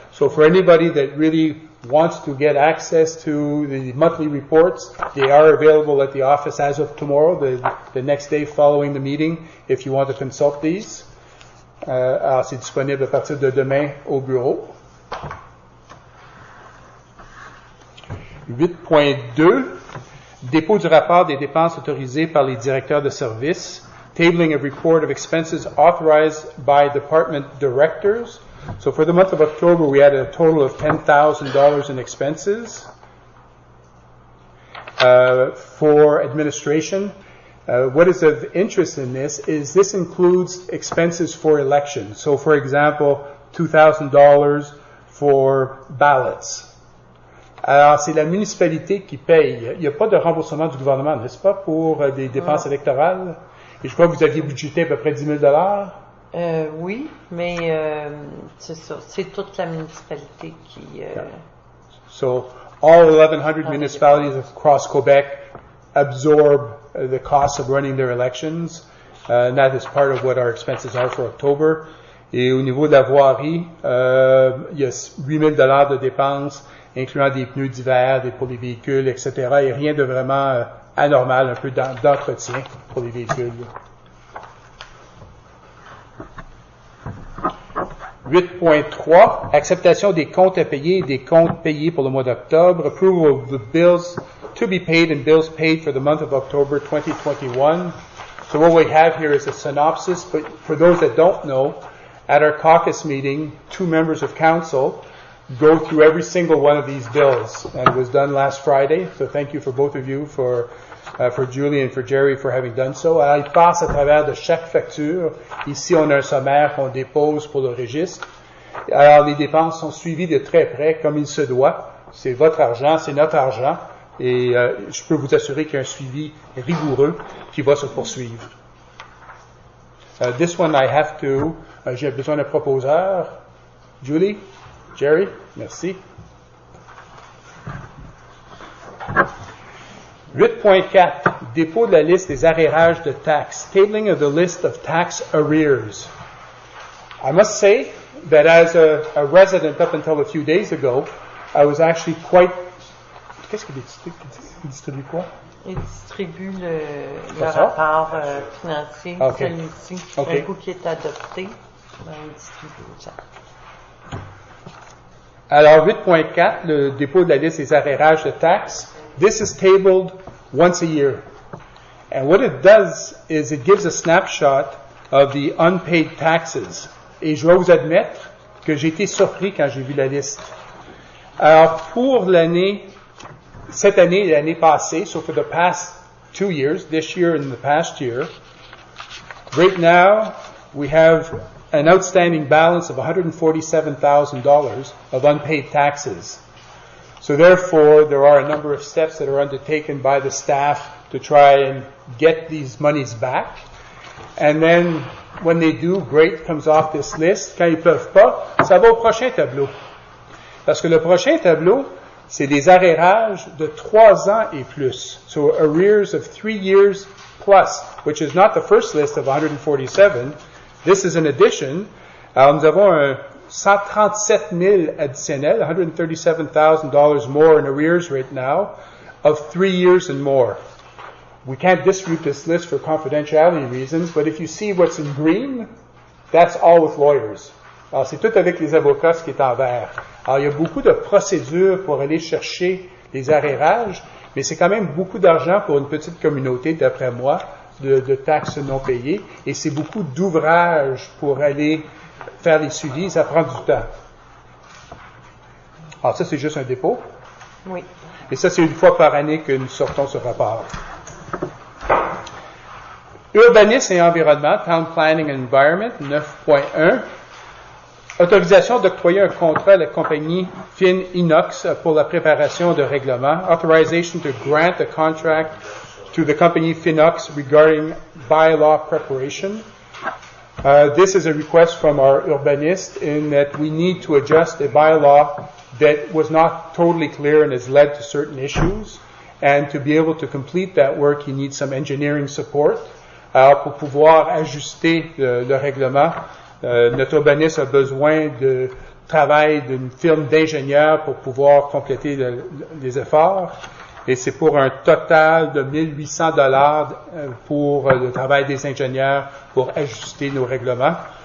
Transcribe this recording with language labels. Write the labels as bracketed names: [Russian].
[English] So for anybody that really wants to get access to the monthly reports, they are available at the office as of tomorrow, the next day following the meeting, if you want to consult these. [French] Alors, c'est disponible à partir de demain au bureau. 8.2, dépôt du rapport des dépenses autorisées par les directeurs de services. [English] Tabling a report of expenses authorized by department directors. So, for the month of October, we had a total of $10,000 in expenses for administration. What is of interest in this is this includes expenses for elections. So, for example, $2,000 for ballots. [French] Alors, c'est la municipalité qui paye. Il n'y a pas de remboursement du gouvernement, n'est-ce pas, pour des dépenses électorales? Et je crois que vous aviez budgété à peu près $10,000. Oui, mais c'est ça. C'est toute la municipalité qui... [English] So, all 1,100 municipalities across Quebec absorb the cost of running their elections, And that is part of what our expenses are for October. [French] Et au niveau de la voirie, il y a 8000 $ de dépenses, incluant des pneus d'hiver, des pour les véhicules, etc. Et rien de vraiment anormal, un peu d'entretien pour les véhicules. 8.3, acceptation des comptes à payer et des comptes payés pour le mois d'octobre. [English] Approval of the bills to be paid and bills paid for the month of October 2021. So what we have here is a synopsis, but for those that don't know, at our caucus meeting, two members of council go through every single one of these bills. And it was done last Friday, so thank you for both of you, for Julie and for Jerry for having done so. [French] Alors, ils passent à travers de chaque facture. Ici, on a un sommaire qu'on dépose pour le registre. Alors, les dépenses sont suivies de très près, comme il se doit. C'est votre argent, c'est notre argent. Et je peux vous assurer qu'il y a un suivi rigoureux qui va se poursuivre. [English] This one, I have to... [French] j'ai besoin d'un proposeur. Julie? Jerry? Merci. 8.4, dépôt de la liste des arrérages de taxes. [English] Tabling of the list of tax arrears. I must say that as a resident up until a few days ago, I was actually quite... [French] Qu'est-ce qu'il distribue? Il distribue quoi? Il distribue le rapport financier, okay. Celui-ci. Okay. Un coup qui est adopté, il distribue ça. Alors, 8.4, le dépôt de la liste des arrérages de taxes. [English] This is tabled once a year. And what it does is it gives a snapshot of the unpaid taxes. [French] Et je dois vous admettre que j'ai été surpris quand j'ai vu la liste. Alors, pour l'année, cette année et l'année passée, [English] so for the past 2 years, this year and the past year, right now we have an outstanding balance of $147,000 of unpaid taxes. So therefore, there are a number of steps that are undertaken by the staff to try and get these monies back. And then, when they do, great, comes off this list. [French] Quand ils peuvent pas, ça va au prochain tableau. Parce que le prochain tableau, c'est des arrérages de 3 ans et plus. [English] So arrears of 3 years plus, which is not the first list of 147. This is an addition. [French] Alors, nous avons un 137 000 additionnels, [English] $137,000 more in arrears right now, of 3 years and more. We can't distribute this list for confidentiality reasons, but if you see what's in green, that's all with lawyers. [French] Alors, c'est tout avec les avocats ce qui est en vert. Alors, il y a beaucoup de procédures pour aller chercher les arrérages, mais c'est quand même beaucoup d'argent pour une petite communauté, d'après moi, de taxes non payées, et c'est beaucoup d'ouvrages pour aller faire les suivis, ça prend du temps. Alors, ça, c'est juste un dépôt? Oui. Et ça, c'est une fois par année que nous sortons ce rapport. Urbanisme et environnement, [English] Town Planning and Environment, 9.1. [French] Autorisation d'octroyer un contrat à la compagnie Fininox pour la préparation de règlements. [English] Authorization to grant a contract to the company Fininox regarding bylaw preparation. This is a request from our urbanist in that we need to adjust a bylaw that was not totally clear and has led to certain issues. And to be able to complete that work, he needs some engineering support. [French] Alors, pour pouvoir ajuster le règlement, notre urbaniste a besoin de travail d'une firme d'ingénieurs pour pouvoir compléter les efforts. Et c'est pour un total de 1800 $ pour le travail des ingénieurs pour ajuster nos règlements.